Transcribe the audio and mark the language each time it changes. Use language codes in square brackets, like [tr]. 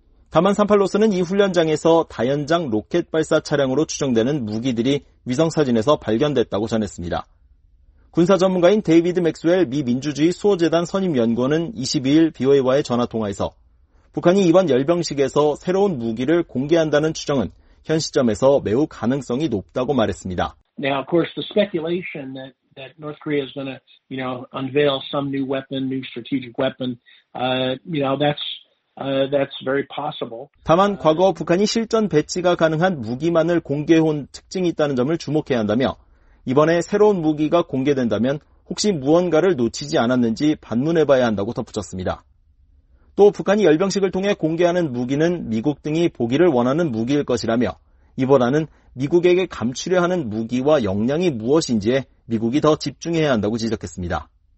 [ko] 다만 38로스는 이 훈련장에서 다연장 로켓 발사 차량으로 추정되는 무기들이 위성사진에서 발견됐다고 전했습니다. 군사 전문가인 데이비드 맥스웰 미 민주주의 수호재단 선임연구원은 22일 BOA와의 전화통화에서 북한이 이번 열병식에서 새로운 무기를 공개한다는 추정은 현 시점에서 매우 가능성이 높다고 말했습니다. [en] Now, of course, the speculation that North Korea is going to, you know, unveil some new weapon, new strategic weapon, that's very possible. [ko] 다만 과거 북한이 실전 배치가 가능한 무기만을 공개해온 특징이 있다는 점을 주목해야 한다며 이번에 새로운 무기가 공개된다면 혹시 무언가를 놓치지 않았는지 반문해봐야 한다고 덧붙였습니다. 또 북한이 열병식을 통해 공개하는 무기는 미국 등이 보기를 원하는 무기일 것이라며 이보다는 미국에게 감추려 하는 무기와 역량이 무엇인지에 미국이 더 집중해야 한다고 지적했습니다.